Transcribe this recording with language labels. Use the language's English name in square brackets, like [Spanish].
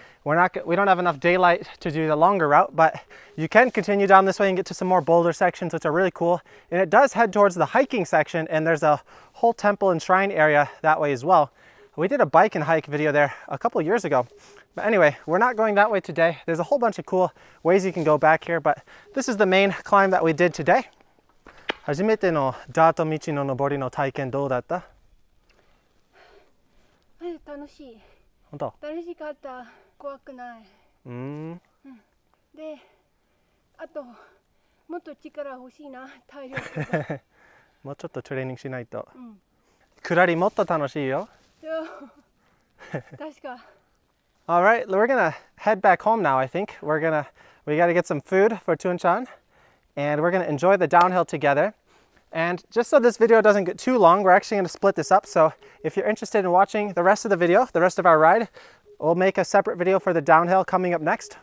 [English] We don't have enough daylight to do the longer route, but you can continue down this way and get to some more boulder sections, which are really cool. And it does head towards the hiking section, and there's a whole temple and shrine area that way as well. We did a bike and hike video there a couple years ago. But anyway, we're not going that way today. There's a whole bunch of cool ways you can go back here, but this is the main climb that we did today. [Japanese] 初めてのダート道の登りの体験どうだった? 楽しい。本当?楽しかった。怖くない。で、あともっと力欲しいな、体力。もうちょっとトレーニングしないと。下りもっと楽しいよ。確か。 [English] All right, we're gonna head back home now, I think. We gotta get some food for Thuong Chan, and we're gonna enjoy the downhill together. And just so this video doesn't get too long, we're actually gonna split this up. So if you're interested in watching the rest of the video, the rest of our ride, we'll make a separate video for the downhill coming up next.